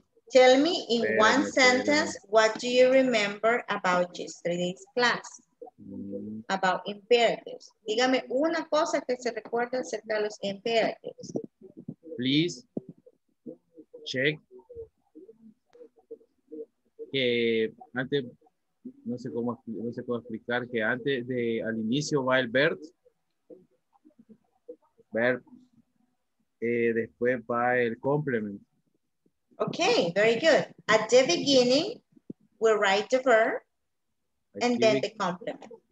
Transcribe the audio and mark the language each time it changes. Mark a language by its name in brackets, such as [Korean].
[English] Tell me in one sentence, what do you remember about yesterday's class? About imperatives. [Spanish] Dígame una cosa que se recuerda acerca de los imperatives. [English] Please check. [Spanish] Que antes, no sé cómo explicar, que antes de, al inicio va el verb, después va el complement. [English] Okay, very good. At the beginning, we write the verb, and then the complement.